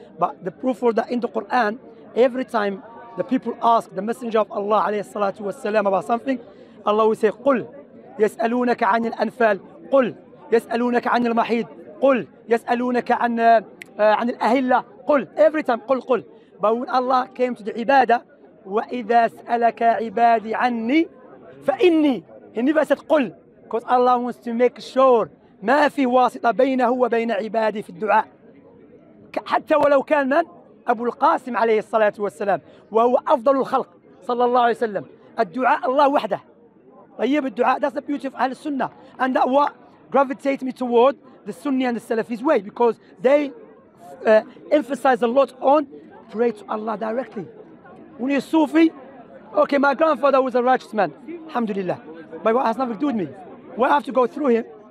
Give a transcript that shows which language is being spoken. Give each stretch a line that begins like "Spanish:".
English: But the proof was that in the Quran, every time the people ask the messenger of Allah alayhi salatu wasalam about something, Allah will say,
Arabic: قل يسألونك عن الأنفال قل يسألونك عن المحيط قل يسألونك عن عن الأهلة قل
English: every time
Arabic: قل قل.
English: But when Allah came to the
Arabic: عبادة وإذا سألك عبادي عني فإني,
English: he never said
Arabic: قل,
English: because Allah wants to make sure
Arabic: ما في واسطة بينه وبين عبادي في الدعاء, حتى ولو كان من أبو القاسم عليه الصلاة والسلام وهو أفضل الخلق صلى الله عليه وسلم. الدعاء الله وحده.
English: That's the beauty of Ahlul Sunnah. And that what gravitates me toward the Sunni and the Salafi's way, because they emphasize a lot on pray to Allah directly. When you're Sufi, okay, my grandfather was a righteous man, alhamdulillah. But what has nothing to do with me? Why I have to go through him?